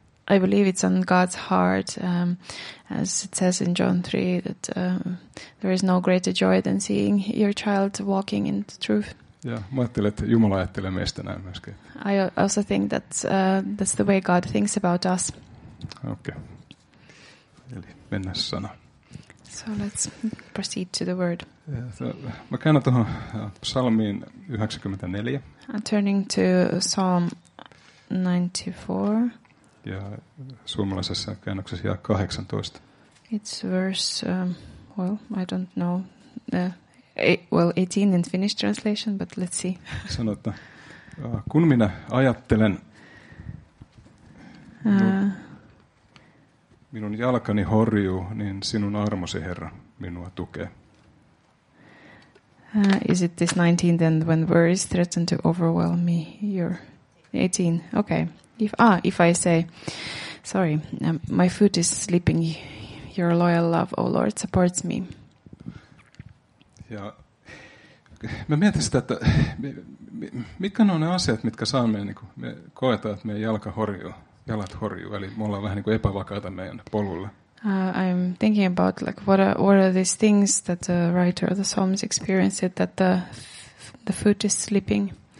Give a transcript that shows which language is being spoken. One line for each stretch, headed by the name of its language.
English: I believe it's on God's heart, as it says in John 3, that there is no greater joy than seeing your child walking in the truth.
Finnish: Ja mä ajattelin, että Jumala ajattelee meistä näin myöskin.
English: I also think that that's the way God thinks about us.
Finnish: Okay. Eli mennä sana.
English: So let's proceed to the word.
Finnish: Mä käännän tuohon psalmiin 94.
English: I'm turning to Psalm 94.
Finnish: Ja suomalaisessa käännöksessä jae 18.
English: It's verse, well, I don't know, well, 18 in Finnish translation, but let's see.
Finnish: Sano, että kun minä ajattelen minun jalkani horjuu, niin sinun armosi, Herra, minua tukee.
English: Is it this 19 then, when worries threaten to overwhelm me? You're 18, okay. If I say, sorry, my foot is slipping, your loyal love, O Lord, supports me.
Finnish: Ja mä mietin sitä, että mitkä on ne asiat, mitkä saa meidän, niin kun me koetaan, että meidän jalat horjuu, eli me ollaan vähän niin kuin epävakaita meidän polulla.
English: I'm thinking about like what are these things that the writer of the Psalms experienced, that the foot is slipping.